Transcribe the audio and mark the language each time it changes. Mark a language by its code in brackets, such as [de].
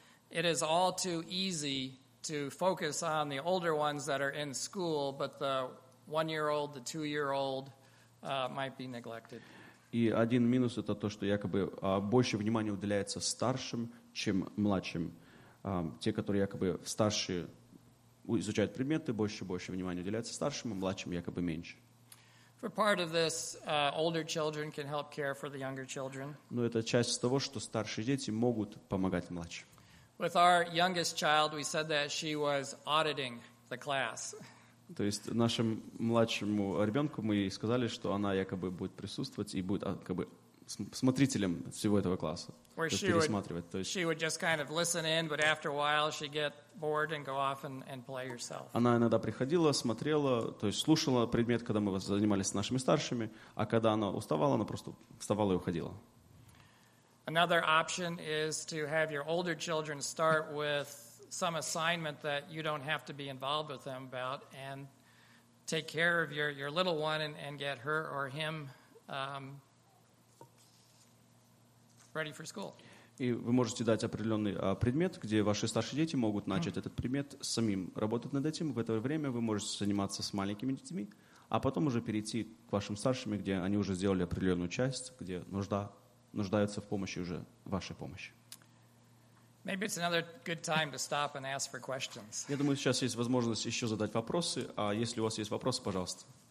[en] It is all too easy to focus on the older ones that are in school, but the one-year-old, the two-year-old, might be neglected. [ru] И один минус это то, что якобы больше внимания уделяется старшим, чем младшим. Те, которые якобы старшие изучают предметы, больше внимания уделяется старшим, а младшим якобы меньше. [en] For part of this, older children can help care for the younger children. [ru] Но это часть того, что старшие дети могут помогать младшим. [en] With our youngest child, we said that she was auditing the class. [ru] То есть нашему младшему ребенку мы сказали, что она якобы будет присутствовать и будет как бы смотрителем всего этого класса. [en] She would just kind of listen in, but after a while she'd get bored and go off and play herself. [ru] Она иногда приходила, смотрела, то есть слушала предмет, когда мы занимались с нашими старшими, а когда она уставала, она просто вставала и уходила. [en] Another option is to have your older children start with some assignment that you don't have to be involved with them about and take care of your little one and get her or him ready for school. [ru] И вы можете дать определенный предмет, где ваши старшие дети могут начать этот предмет самим работать над этим. В это время вы можете заниматься с маленькими детьми, а потом уже перейти к вашим старшим, где они уже сделали определенную часть, где нуждаются в помощи уже вашей помощи. [en] Maybe it's another good time to stop and ask for questions. [ru] Я думаю, сейчас есть возможность еще задать вопросы. А если у вас есть вопросы, пожалуйста.